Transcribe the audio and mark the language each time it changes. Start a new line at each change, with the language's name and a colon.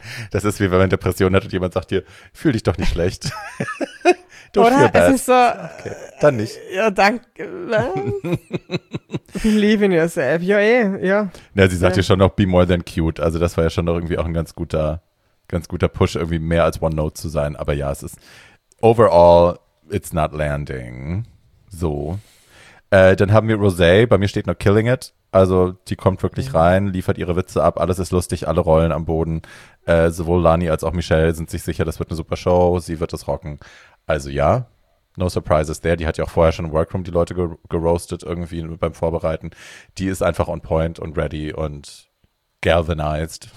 German: Das ist wie wenn man Depression hat und jemand sagt dir: Fühl dich doch nicht schlecht. Oder? Es ist so, okay, dann nicht. Ja, danke.
English: Believe in yourself.
German: Ja, eh. Ja. Na, sie sagt ja schon noch,
English: be more than cute.
German: Also das war ja schon noch irgendwie auch ein ganz guter Push, irgendwie mehr als One Note zu sein. Aber ja, es ist,
English: overall, it's not landing.
German: So. Dann haben wir Rosé, bei mir steht noch
English: Killing It.
German: Also die kommt wirklich rein, liefert ihre Witze ab, alles ist lustig, alle rollen am Boden. Sowohl Lani als auch Michelle sind sich sicher, das wird eine super Show, sie wird es rocken. Also ja,
English: no surprises there.
German: Die hat ja auch vorher schon im Workroom die Leute geroastet irgendwie beim Vorbereiten. Die ist einfach
English: on point
German: und
English: ready
German: und
English: galvanized.